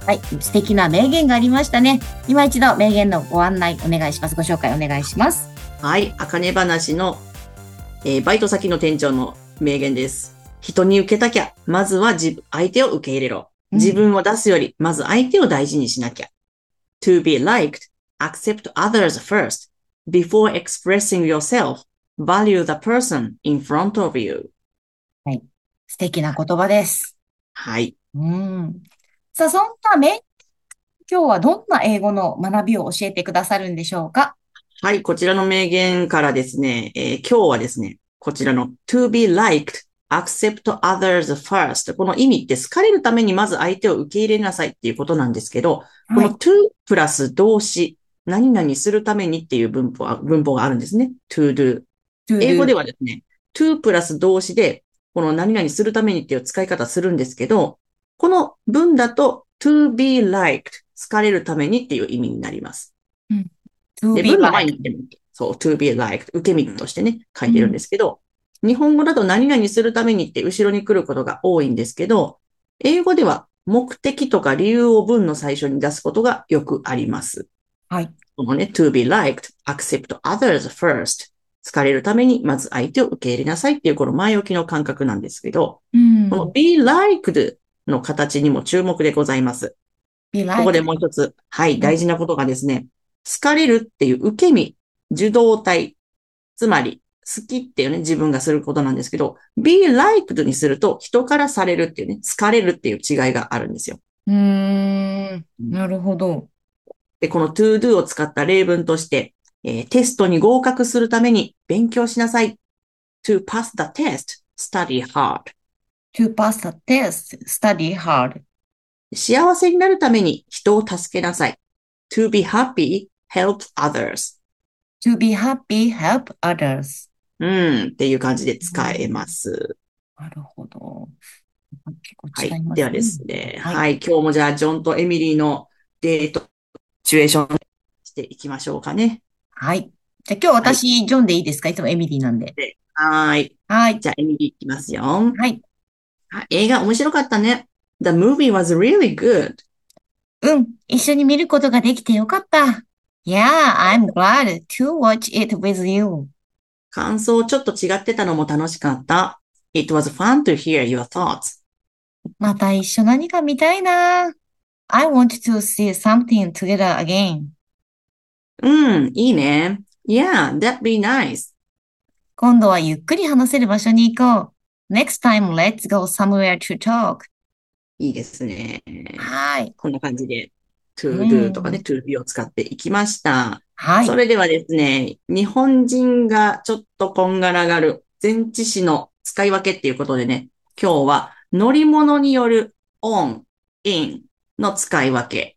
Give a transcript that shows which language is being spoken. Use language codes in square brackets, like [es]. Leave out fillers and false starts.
[ja] はい、素敵な名言がありましたね。今一度名言のご案内お願いします。ご紹介お願いします。はい、あかね話の、バイト先の店長の名言です。人に受けたきゃ、まずは相手を受け入れろ。自分を出すより、まず相手を大事にしなきゃ。 [en] To be liked, accept others first. Before expressing yourself, value the person in front of you. [ja] はい。素敵な言葉です。はい。さあ、そんな名言、今日はどんな英語の学びを教えてくださるんでしょうか？はい、こちらの名言からですね、今日はですね、こちらの [en] to be liked,accept others first. [ja] この意味って、好かれるためにまず相手を受け入れなさいっていうことなんですけど、この to プラス動詞、何々するためにっていう文法があるんですね。 [en] to do。 [ja] 英語ではですね、to プラス動詞で、この何々するためにっていう使い方するんですけど、この文だと to be liked、好かれるためにっていう意味になります。うん、で、文の前に言ってみて、そう、to be liked、受け身としてね、書いてるんですけど、うん、日本語だと何々するためにって後ろに来ることが多いんですけど、英語では目的とか理由を文の最初に出すことがよくあります。はい。このね、 [en] to be liked, accept others first. [ja] 好かれるためにまず相手を受け入れなさいっていうこの前置きの感覚なんですけど、うん、この be liked の形にも注目でございます。 [en] be liked. [ja] ここでもう一つ、はい、大事なことがですね、うん、好かれるっていう受け身、受動態、つまり、好きっていうね、自分がすることなんですけど、be liked にすると人からされるっていうね、好かれるっていう違いがあるんですよ。なるほど。で、この to do を使った例文として、テストに合格するために勉強しなさい。 [en] to pass the test, study hard. to pass the test, study hard. [ja] 幸せになるために人を助けなさい。 [en] to be happy, help others. To be happy, help others. [ja] うん、っていう感じで使えます。なるほど。結構違いますね。はい、ではですね、はい。はい。今日もじゃあ、ジョンとエミリーのデートシチュエーションしていきましょうかね。はい。じゃあ、今日私、はい、ジョンでいいですか？いつもエミリーなんで。はい。はい。じゃあ、エミリーいきますよ。はい。映画面白かったね。 [en] The movie was really good. [ja] うん。一緒に見ることができてよかった。 [en] Yeah, I'm glad to watch it with you. [ja] 感想ちょっと違ってたのも楽しかった。 [en] It was fun to hear your thoughts. [ja] また一緒何か見たいな。 [en] I want to see something together again. [ja] うん、いいね。 [en] Yeah, that'd be nice. [ja] 今度はゆっくり話せる場所に行こう。 [en] Next time, let's go somewhere to talk. [ja] いいですね。はい。こんな感じで。 to do とかね、to be を使っていきました。はい。それではですね、日本人がちょっとこんがらがる前置詞の使い分けっていうことでね、今日は乗り物による on, in の使い分け